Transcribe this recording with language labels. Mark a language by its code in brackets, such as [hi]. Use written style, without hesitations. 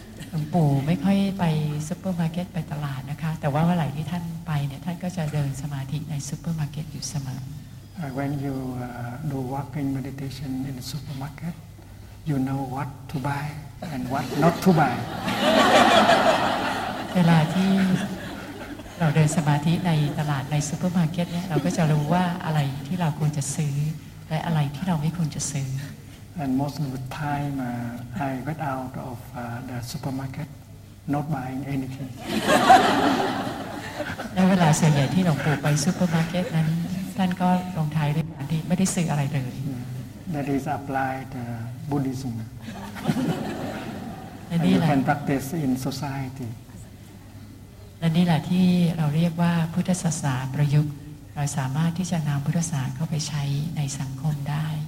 [th] หลวงปู่ไม่ค่อยไปซุปเปอร์มาร์เก็ตไปตลาดนะคะแต่ว่าเมื่อไหร่ที่ท่านไปเนี่ยท่านก็จะเดินสมาธิในซุปเปอร์มาร์เก็ตอยู่เสมอ [en] When you do walking meditation in the supermarket, you know what to buy and what not to buy. [th] เวลาที่เราเดินสมาธิในตลาดในซูเปอร์มาร์เก็ตเนี่ยเราก็จะรู้ว่าอะไรที่เราควรจะซื้อและอะไรที่เราไม่ควรจะซื้อ [en] And most of the time, I get out of the supermarket not buying anything. [th] และเวลาส่วนใหญ่ที่เราไปซูเปอร์มาร์เก็ตนั้นท่านก็ลงท้ายด้วยการที่ไม่ได้ซื้ออะไรเลย [en] That is applied Buddhism and you can practice in society [th] และนี่แหละที่เราเรียกว่าพุทธศาสนาประยุกต์เราสามารถที่จะนำพุทธศาสนาเข้าไปใช้ในสังคมได้